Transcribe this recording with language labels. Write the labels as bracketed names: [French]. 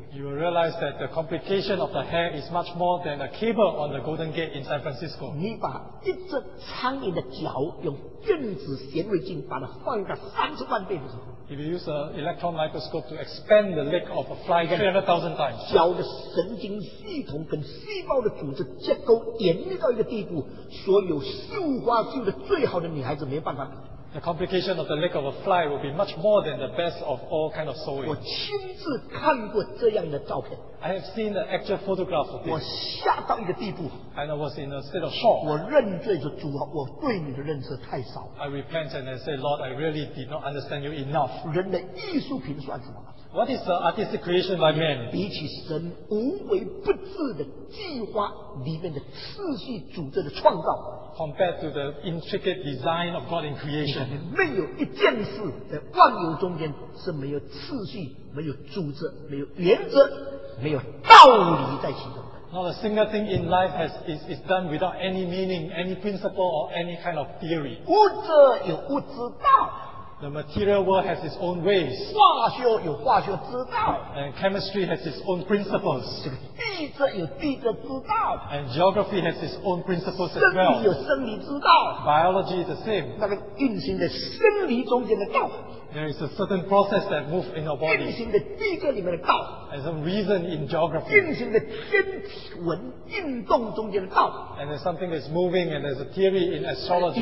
[English] You will realize that the complication of the hair is much more than a cable on the Golden Gate in San Francisco. [Chinese] 你把一只苍蝇的脚用电子显微镜把它放大30万倍的时候, [English] if you use an electron microscope to expand the leg of a fly 300,000 times, [Chinese] 小的神经系统跟细胞的组织结构严密到一个地步, 所有绣花绣的最好的女孩子没办法比。 [English] The complication of the leg of a fly will be much more than the best of all kind of sewing. [Chinese] 我亲自看过这样的照片。 [English] I have seen the actual photograph of this. [Chinese] 我吓到一个地步。 [English] And I was in a state of shock. [Chinese] 我认罪说主啊, 我对你的认识太少。 [English] I repent and I say, Lord, I really did not understand you enough. [Chinese] 人的艺术品算什么? [English] What is the artistic creation by man? [Chinese] 比起神无微不至的计划里面的次序组织的创造, [English] compared to the intricate design of God in creation, [Chinese] 没有一件事在万有中间是没有次序、没有原则、没有道理在其中。 [English] Not a single thing in life is done without any meaning, any principle, or any kind of theory. [Chinese] 物质有物质道。 [English] The material world has its own ways. [Chinese] 化学有化学之道, [English] and chemistry has its own principles. [Chinese] 地质有地质之道, [English] and geography has its own principles as well. [Chinese] 生理有生理之道, [English] biology is the same. [Chinese] 那个运行的生理中间的道, [English] there is a certain process that moves in our body. [Chinese] 运行的地质里面的道, [English] and some reason in geography. [Chinese] 运行的天文运动中间的道, [English] and there's something that's moving and there's a theory in astrology.